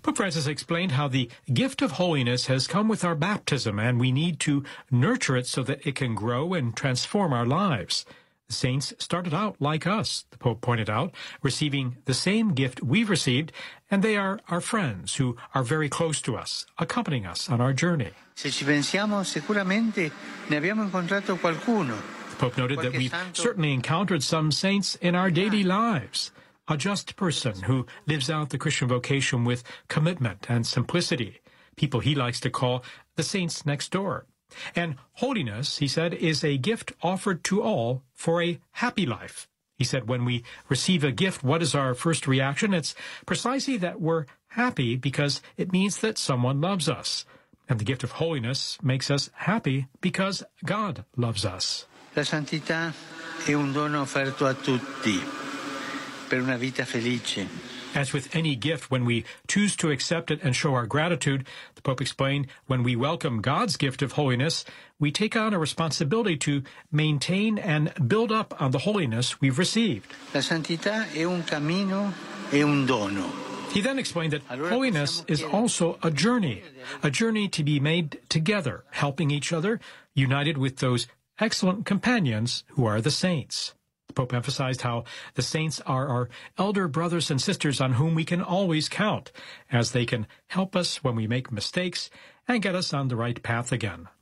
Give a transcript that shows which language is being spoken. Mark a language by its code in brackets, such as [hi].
[en] Pope Francis explained how the gift of holiness has come with our baptism, and we need to nurture it so that it can grow and transform our lives. The saints started out like us, the Pope pointed out, receiving the same gift we've received, and they are our friends who are very close to us, accompanying us on our journey. [it] Se ci pensiamo, sicuramente ne abbiamo incontrato qualcuno. [en] Pope noted that we've certainly encountered some saints in our daily lives. A just person who lives out the Christian vocation with commitment and simplicity. People he likes to call the saints next door. And holiness, he said, is a gift offered to all for a happy life. He said, when we receive a gift, what is our first reaction? It's precisely that we're happy because it means that someone loves us. And the gift of holiness makes us happy because God loves us. [it] La santità è un dono offerto a tutti per una vita felice. [en] As with any gift, when we choose to accept it and show our gratitude, the Pope explained, when we welcome God's gift of holiness, we take on a responsibility to maintain and build up on the holiness we've received. [it] La santità è un cammino e un dono. [en] He then explained that holiness is also a journey to be made together, helping each other, united with those excellent companions who are the saints. The Pope emphasized how the saints are our elder brothers and sisters on whom we can always count, as they can help us when we make mistakes and get us on the right path again.